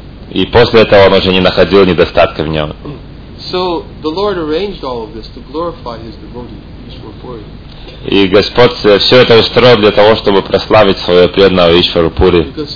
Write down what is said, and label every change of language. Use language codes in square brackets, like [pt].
[ru] И после этого он уже не находил недостатка в нем. [en] So the Lord arranged all of this to glorify his devotees. [ru] И Господь все это устроил для того, чтобы прославить своего преданного Ишвару Пури.